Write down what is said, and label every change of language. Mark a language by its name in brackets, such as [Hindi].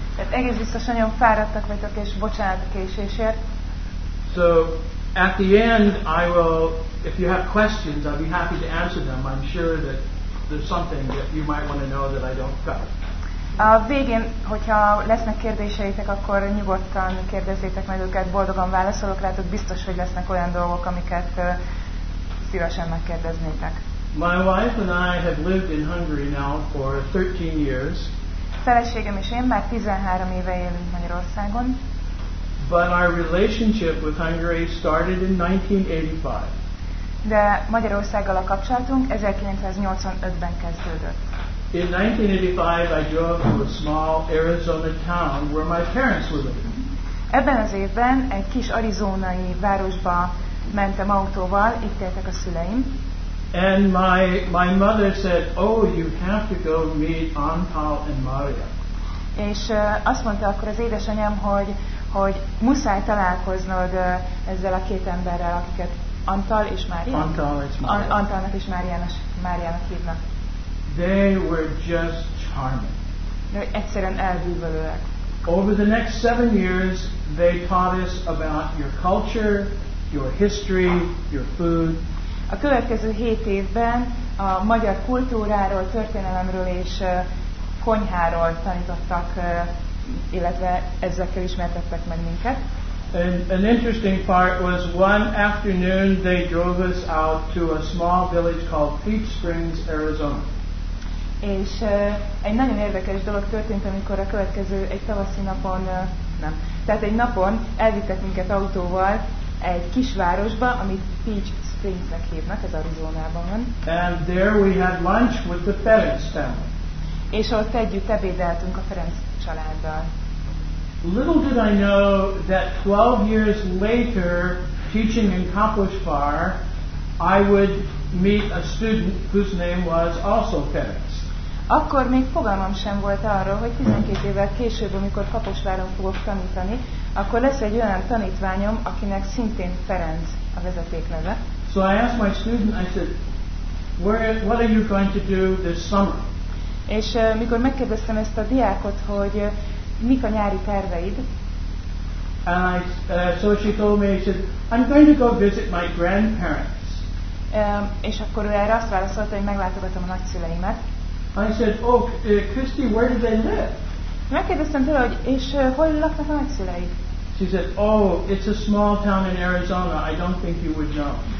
[Hungarian] Egész biztosan nagyon fáradtak vagytok, és bocsánat a késésért. [English] So at the end I will, if you have questions, I'll be happy to answer them. I'm sure that there's something that you might want to know that I don't cover. [Hungarian] A végén, hogyha lesznek kérdéseitek, akkor nyugodtan kérdezzétek meg őket, boldogan válaszolok rátok, biztos, hogy lesznek olyan dolgok, amiket szívesen megkérdeznétek. [English] My wife and I have lived in Hungary now for 13 years. [Hungarian] Feleségem és én már 13 éve élünk Magyarországon. [English] But our relationship with Hungary started in 1985. [Hungarian] De Magyarországgal a kapcsolatunk 1985-ben kezdődött. [English] In 1985 I drove to a small Arizona town where my parents were living. [Hungarian] Ebben az évben egy kis arizonai városba mentem autóval, itt éltek a szüleim. [English] And my mother said, "Oh, you have to go meet Antal and Maria." [Hungarian] És azt mondta akkor az édesanyám, hogy muszáj találkoznod ezzel a két emberrel, akiket Antal és Mária. Antalnak és Máriának hívnak. [English] They were just charming. [Hungarian] De egyszerűen elbűvölőek. [English] Over the next 7 years, they taught us about your culture, your history, your food. [Hungarian] A következő 7 évben a magyar kultúráról, történelemről és konyháról tanítottak, illetve ezekkel ismertettek meg minket. [English] And an interesting part was one afternoon they drove us out to a small village called Peach Springs, Arizona. [Hungarian] És egy nagyon érdekes dolog történt, amikor a következő egy tavaszi napon, nem, tehát egy napon elvittek minket autóval egy kisvárosba, amit Peach Springsnek hívnak, ez Arizonában van. [English] And there we had lunch with the Ferenc family. [Hungarian] És ott együtt ebédeltünk a Ferenc családdal. [English] Little did I know that 12 years later, teaching in Kaposvár, I would meet a student whose name was also Ferenc. [Hungarian] Akkor még fogalmam sem volt arról, hogy 12 évvel később, amikor Kaposváron fogok tanítani, akkor lesz egy olyan tanítványom, akinek szintén Ferenc a vezetékneve. [English] So I asked my student, I said, what are you going to do this summer? [Hungarian] És mikor megkérdeztem ezt a diákot, hogy mik a nyári terveid? [English] And I, so she told me, she said, I'm going to go visit my grandparents. [Hungarian] És akkor ő erre azt válaszolta, hogy meglátogatom a nagyszüleimet. [English] I said, "Oh, Christy, where do they live?" [Hungarian] Megkérdeztem tőle, hogy és hol laknak a nagyszülei? [English] She said, "Oh, it's a small town in Arizona. I don't think you would know."